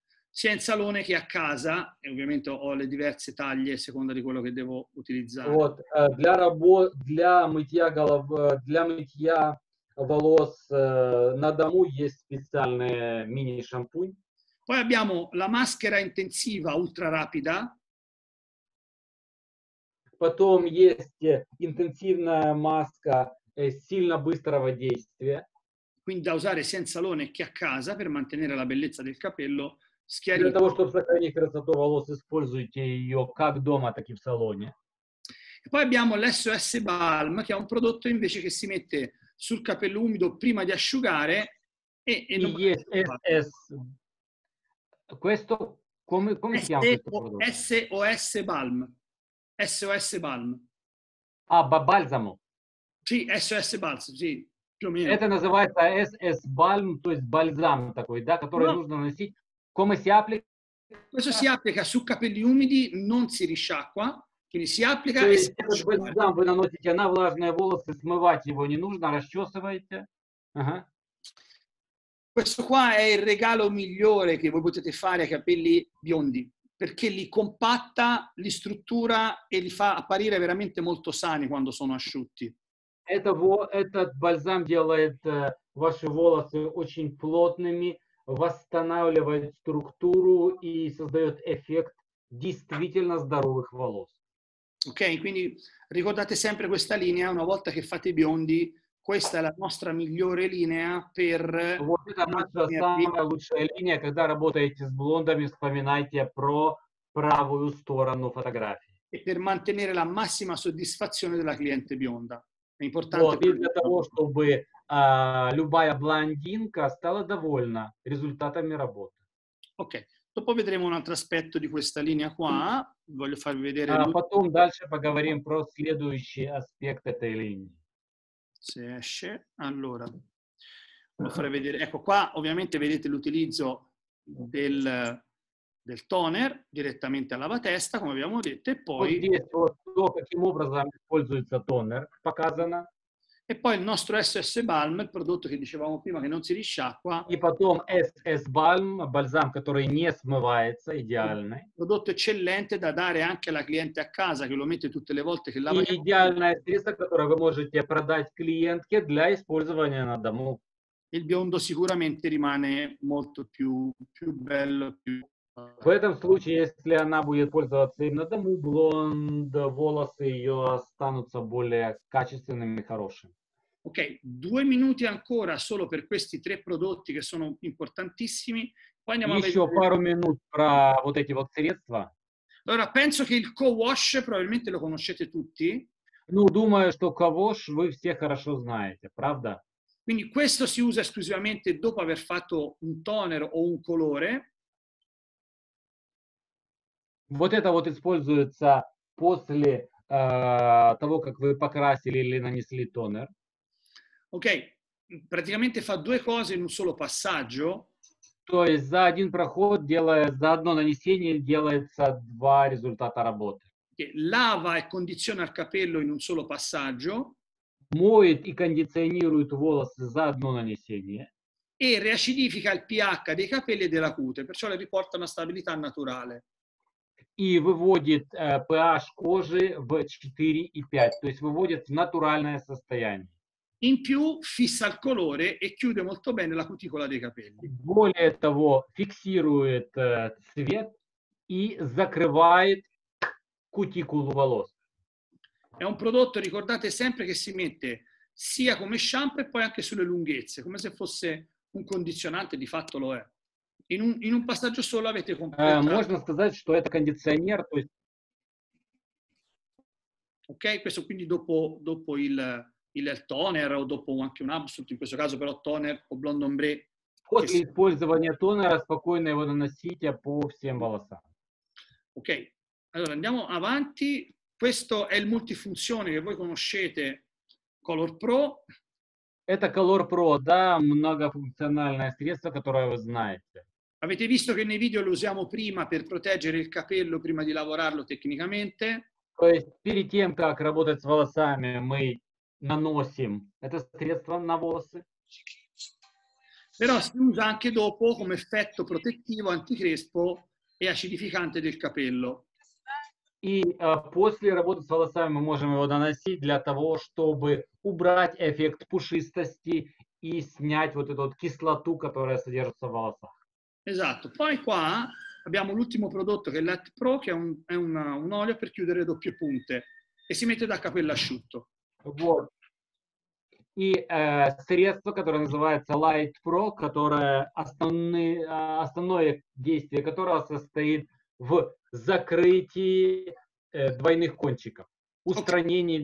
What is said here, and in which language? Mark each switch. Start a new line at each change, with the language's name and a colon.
Italian: Sia in salone che a casa, e ovviamente ho le diverse taglie a seconda di quello che devo utilizzare.
Russian: Вот, для работ, для мытья голов, для мытья волос на дому есть специальный мини-шампунь.
Italian: Poi abbiamo la maschera intensiva ultra rapida.
Russian: Потом есть интенсивная маска сильно быстрого действия.
Italian: Quindi da usare sia in salone che a casa per mantenere la bellezza del capello.
Russian: Для того, чтобы сохранить красоту волос, используйте ее как дома, так и в салоне.
Italian: E poi abbiamo l'SOS Balm, che è un prodotto invece che si mette sul capello umido prima di asciugare e non... SOS. Questo come si chiama questo prodotto? SOS Balm. SOS Balm. Ah, balsamo. Sì, SOS Balsamo, sì. Più o meno.
Russian: Это называется SS Balm, то есть бальзам такой, да, который нужно наносить.
Italian: Come si applica? Questo si applica su capelli umidi, non si risciacqua, quindi si applica cioè, e si applica. Voi
Russian: наносите на влажные волосы, смывать его не нужно, расчесываете.
Italian: Questo qua è il regalo migliore che voi potete fare ai capelli biondi, perché li compatta, li struttura e li fa apparire veramente molto sani quando sono asciutti.
Russian: Этот бальзам делает ваши волосы очень плотными, восстанавливает структуру и создает эффект действительно здоровых волос.
Italian: Окей, quindi ricordate sempre questa linea, una volta che fate i biondi, questa è la nostra migliore linea per...
Russian: Вот это наша самая лучшая линия, когда работаете с блондами, вспоминайте про правую сторону фотографии.
Italian: E per mantenere la massima soddisfazione della cliente bionda. È importante...
Russian: Вот, для того, чтобы... любая блондинка стала довольна результатами работы. Окей.
Italian: Dopo vedremo un altro aspetto di questa linea qua. Voglio farvi vedere.
Russian: Потом дальше поговорим про следующий аспект этой линии.
Italian: Se esce. Allora. Voglio far vedere. Ecco qua, ovviamente vedete l'utilizzo del toner direttamente a lavatesta, come abbiamo detto, e poi.
Russian: То, каким образом используется тонер, показано.
Italian: E poi il nostro SS Balm, il prodotto che dicevamo prima che non si risciacqua.
Russian: E потом SS Balm, balsam, который не смывается, идеально.
Italian: Prodotto eccellente da dare anche alla cliente a casa, che lo mette tutte le volte che lava.
Russian: Идеальное средство, которое вы можете продать клиентке для использования на дому.
Italian: Il biondo sicuramente римане molto più bello.
Russian: В этом случае, если она будет пользоваться им на дому, блонд, волосы ее останутся более качественными и хорошими. Окей, два минуты
Italian: ancora solo per questi tre prodotti che sono importantissimi. Poi andiamo
Russian: еще
Italian: a vedere...
Russian: пару минут про вот эти вот средства.
Italian: Allora, penso che il co-wash probabilmente lo conoscete tutti.
Russian: Ну, думаю, что co-wash вы все хорошо знаете, правда?
Italian: Quindi questo si usa esclusivamente dopo aver fatto un toner o un colore.
Russian: Вот это вот используется после того, как вы покрасили или нанесли тонер. Окей. Практически
Italian: fa due cose in un solo passaggio.
Russian: То есть за один проход, за одно нанесение делается два результата работы.
Italian: Ok, che lava e condiziona il capello in un solo passaggio.
Russian: Моет и кондиционирует волосы за одно нанесение.
Italian: E riacidifica il pH dei capelli e della cute, perciò le riporta una stabilità naturale.
Russian: И выводит pH кожи в 4,5, то есть выводит в натуральное состояние.
Italian: In più fissa il colore e chiude molto bene la cuticola dei capelli.
Russian: Более того, фиксирует цвет и закрывает кутикулу волос.
Italian: È un prodotto, ricordate sempre, che si mette sia come shampoo e poi anche sulle lunghezze, come se fosse un condizionante, di fatto lo è. In un passaggio solo avete completato.
Russian: Можно сказать, что это кондиционер, то есть...
Italian: Ok, questo quindi dopo il toner o dopo anche un absolute, in questo caso però toner o blonde ombre.
Russian: После использования тонера спокойно его наносите по всем волосам.
Italian: Ok, allora andiamo avanti. Questo è il multifunzione che voi conoscete, Color Pro.
Russian: Это Color Pro, да, многофункциональное средство, которое вы знаете.
Italian: Avete visto che nei video lo usiamo prima per proteggere il capello prima di lavorarlo tecnicamente.
Russian: То есть перед тем, как работать с волосами, мы наносим это средство на волосы.
Italian: Però si usa anche dopo come effetto protettivo, anticrespo e acidificante del capello.
Russian: И после работы с волосами мы можем его наносить для того, чтобы убрать эффект пушистости и снять вот эту вот кислоту, которая содержится в волосах.
Italian: Esatto. Poi qua abbiamo l'ultimo prodotto che è Let Pro, che è un olio per chiudere doppie punte e si mette da capello asciutto.
Russian: Вот. И средство, которое называется Light Pro, которое основное действие которого состоит в закрытии двойных кончиков, устранении okay.